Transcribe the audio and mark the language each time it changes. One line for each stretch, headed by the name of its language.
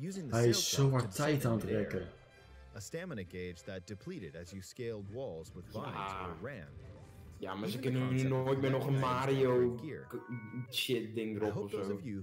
Dutch: Hij is zo hard tijd aan het rekken.
English: A stamina gauge that depleted as you scaled walls with vines or ran.
Dutch: Ja, maar ze kunnen nu nooit meer nog een Mario shit ding erop ofzo.